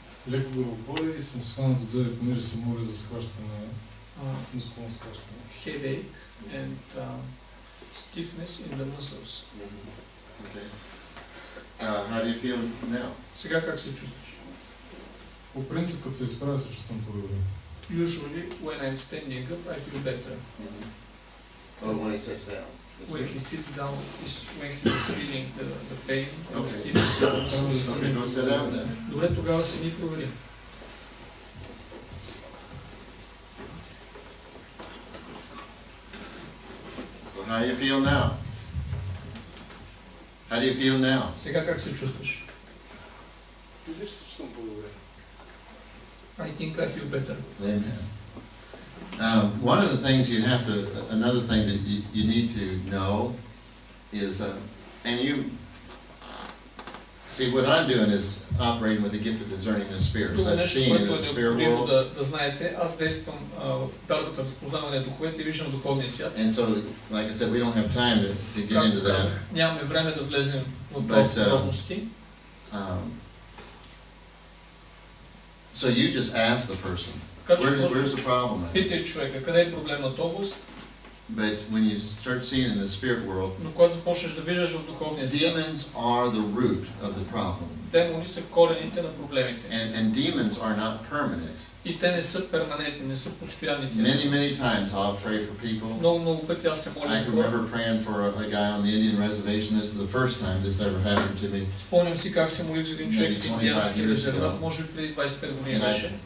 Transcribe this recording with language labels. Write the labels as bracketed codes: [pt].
[bg] Леко го боли и съм схванат от зъби, понеже се моля за схващане, мускулно схващане. [en] Headache and stiffness in the muscles. How do you feel now? [bg] Сега как се чувстваш? По принцип, като се изправя, се чувствам по-добре. [en] Usually, when I'm standing up, I feel better. Or when he sits down. When he sits down, when he is feeling the pain, okay. And stiffness in the muscles. Okay, don't sit down then. [bg] Добре, тогава се ни проверим. [en] So how do you feel now? How do you feel now? [bg] Сега как се чувстваш? Мисля, че се чувствам по-добре. [en] I think I feel better. Amen. One of the things you have to, another thing that you need to know is, and you, see what I'm doing is operating with the gift of discerning the spirits. [bg] Това нещо, което е необходимо да знаете, аз действам в дарбата разпознаване на духовете и виждам духовния свят. [en] And so, like I said, we don't have time to get into that. [bg] Нямаме време да влезем в подробности. [en] So you just ask the person, where's the problem at? [bg] Питай човека, къде е проблемът област? [en] But when you start seeing in the spirit world, [bg] но когато започнеш да виждаш в духовния свят, [en] demons are the root of the problem. [bg] Демони са корените на проблемите. [en] And demons are not permanent. [bg] И те не са перманентни, не са постоянни. [en] Many times I'll pray for people. [bg] Много пъти аз се моля за хора. [en] I remember praying for a guy on the Indian reservation. This is the first time this ever happened to me. [bg] Спомням си как се молих за един човек в индиански резерват, може би преди 25 години беше.